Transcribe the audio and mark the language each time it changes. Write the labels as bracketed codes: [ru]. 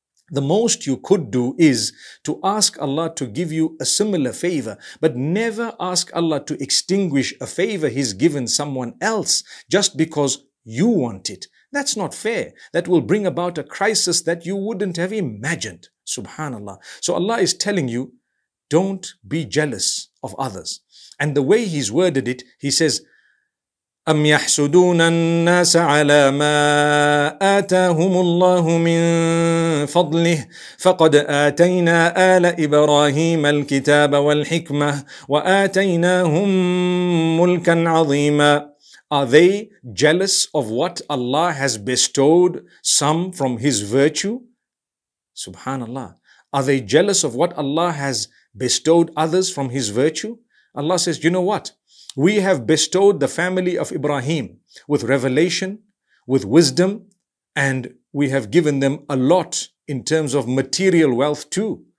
[en] The most you could do is to ask Allah to give you a similar favor, but never ask Allah to extinguish a favor He's given someone else just because you want it. That's not fair. That will bring about a crisis that you wouldn't have imagined. Subhanallah. So Allah is telling you, don't be jealous of others. And the way He's worded it, He says, [ar] أَمْ يَحْسُدُونَ النَّاسَ عَلَى مَا آتَاهُمُ اللَّهُ مِنْ فَضْلِهِ فَقَدْ آتَيْنَا آلَ إِبْرَاهِيمَ الْكِتَابَ وَالْحِكْمَةَ وَآتَيْنَاهُمْ مُلْكًا عَظِيمًا. [en] Are they jealous of what Allah has bestowed some from His virtue? Subhanallah. Are they jealous of what Allah has bestowed others from His virtue? Allah says, you know what? We have bestowed the family of Ibrahim with revelation, with wisdom, and we have given them a lot in terms of material wealth too.